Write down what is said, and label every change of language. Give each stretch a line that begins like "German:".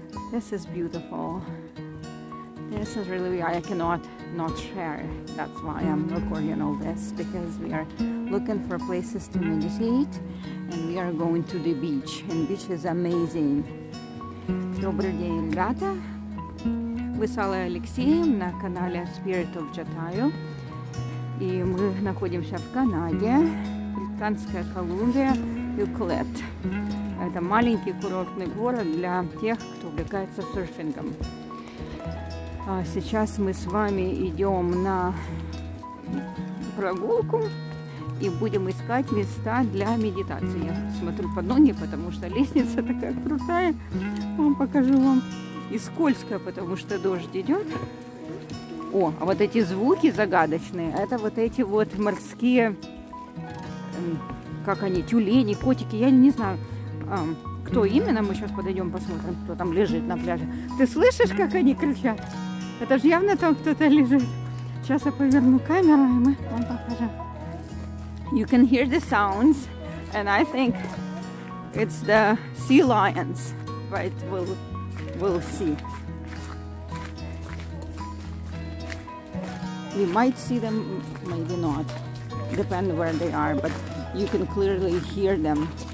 English: This is beautiful. This is really, I cannot not share. That's why I'm recording all this, because we are looking for places to meditate and we are going to the beach, and beach is amazing.
Russian: Добрый день, ребята! Вы с Аллой Алексеем на канале Spirit of Jatayo, и мы находимся в Канаде, Британская Колумбия, Иклет. Это маленький курортный город для тех, кто увлекается серфингом. Сейчас мы с вами идем на прогулку и будем искать места для медитации. Я смотрю под ноги, потому что лестница такая крутая. Вам покажу вам. И скользкая, потому что дождь идет. О, а вот эти звуки загадочные, это вот эти вот морские, как они, тюлени, котики, я не знаю. Кто именно, мы сейчас подойдем, посмотрим, кто там лежит на пляже. Ты слышишь, как они кричат? Это же явно там кто-то лежит. Сейчас я поверну камеру, и мы вам покажем.
English: You can hear the sounds, and I think it's the sea lions, but we'll see. We might see them, maybe not. Depend where they are, but you can clearly hear them.